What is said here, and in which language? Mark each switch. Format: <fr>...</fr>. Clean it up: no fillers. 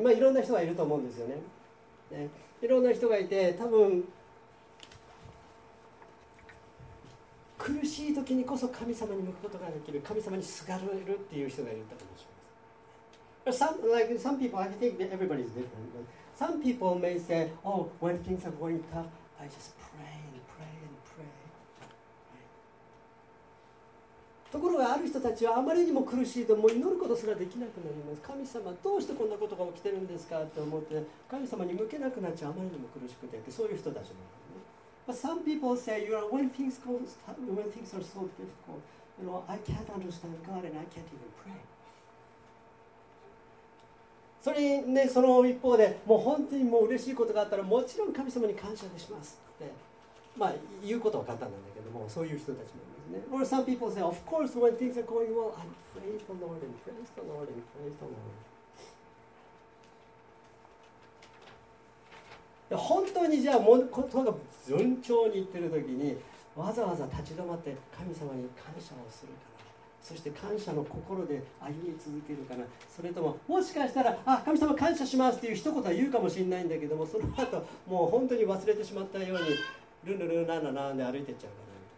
<ja>まあ、いろんな人がいると思うんですよね。ね、いろんな人がいて、多分苦しい時にこそ神様に向くことができる、神様にすがれるっていう人がいるかもしれません。</ja> <en>Some, like, some people, I think everybody is different, but some people may say, oh, when things are going tough, I just pray and pray and pray.</en> <ja>ところがある人たちはあまりにも苦しいと、もう祈ることすらできなくなります。神様、どうしてこんなことが起きてるんですかって思って、神様に向けなくなっちゃう、あまりにも苦しくて、ってそういう人たちもいる、ね。</ja> <en>But some people say, you are when things are so difficult, you know, I can't understand God and I can't even pray.</en> <ja>それね、その一方で、もう本当にもう嬉しいことがあったら、もちろん神様に感謝しますって、まあ、言うことは簡単なんだけども、そういう人たちもいる。</ja> <en>Or some people say, of course, when things are going well, I praise the Lord and praise the Lord and praise the Lord.</en> <ja>本当にじゃあ事が順調にいってる時に、わざわざ立ち止まって神様に感謝をするかな、そして感謝の心で歩み続けるかな、それとももしかしたら、あ、神様感謝しますっていう一言は言うかもしれないんだけども、その後もう本当に忘れてしまったようにルンルルンランランで歩いていっちゃうかな。</ja>